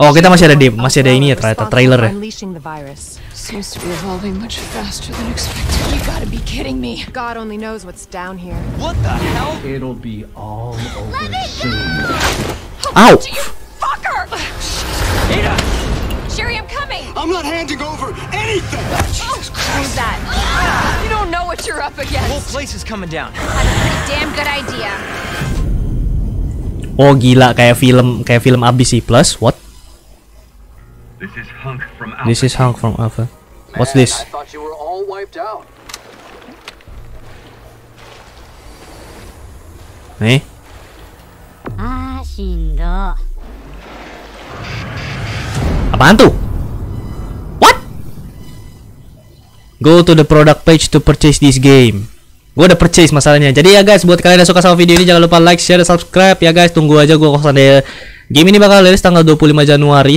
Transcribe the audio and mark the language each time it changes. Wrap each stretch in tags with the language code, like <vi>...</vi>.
<id>Oh, kita masih ada demo, masih ada ini ya, ternyata trailer ya.</id> <en>Unleashing the virus seems to be evolving much faster than expected. You gotta be kidding me. God only knows what's down here. What the hell? It'll be all over soon. Ow! Fucker! Ada! Sherry, I'm coming. I'm not handing over anything. Jesus Christ. That. You don't know what you're up against. The whole place is coming down. That's a pretty damn good idea.</en> <id>Oh gila, kayak film ABC Plus. What?</id> <en>This is Hunk from Alpha. This is Hunk from Alpha. What's Man, this? I thought you were all wiped out. Eh? Ah, shindo.</en> <id>Apaan tuh? What?</id> <en>Go to the product page to purchase this game.</en> <id>Gue udah purchase masalahnya. Jadi ya guys, buat kalian yang suka sama video ini, jangan lupa like, share, dan subscribe. Ya guys, tunggu aja gue kosan deh. Game ini bakal rilis tanggal 25 Januari.</id>